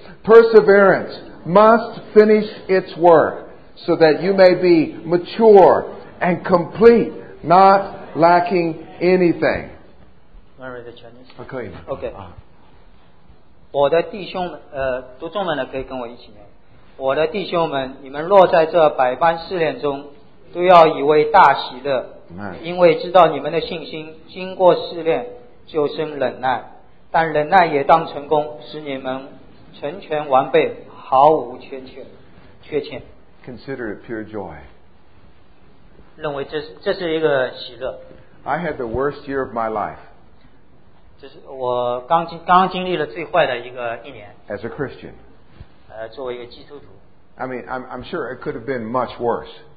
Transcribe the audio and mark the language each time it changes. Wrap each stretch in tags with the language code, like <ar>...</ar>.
<en>Perseverance must finish its work so that you may be mature and complete, not lacking anything. Okay.</en> <zh>我的弟兄们，读众们呢，可以跟我一起念。我的弟兄们，你们落在这百般试炼中，都要以为大喜乐，因为知道你们的信心经过试炼，就生忍耐。但忍耐也当成功，使你们成全完备，毫无缺欠。</zh> <en>Consider it pure joy.</en> <zh>认为这是一个喜乐。</zh> <en>I had the worst year of my life.</en> <zh>这是我刚经历了最坏的一个一年。</zh> <en>As a Christian.</en> <zh>作为一个基督徒。</zh> <en>I mean, I'm sure it could have been much worse.</en>